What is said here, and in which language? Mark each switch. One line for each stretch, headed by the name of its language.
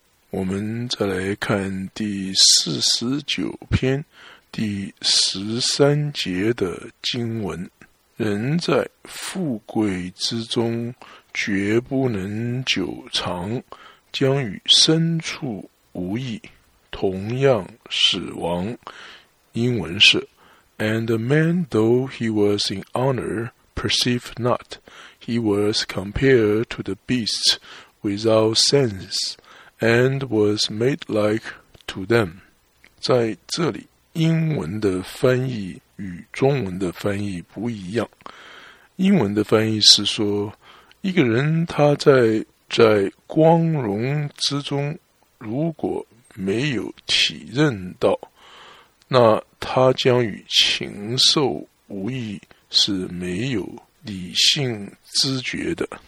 Chinese: 我们再来看第49篇第13节的经文：人在富贵之中绝不能久长，将与牲畜无异，同样死亡。英文是
English: And the man, though he was in honor, perceived not. He was compared to the beasts without sense, and was made like to them.
Chinese: 在这里，英文的翻译与中文的翻译不一样。英文的翻译是说，一个人他在光荣之中，如果没有体认到，那他将与禽兽无异，是没有理性知觉的。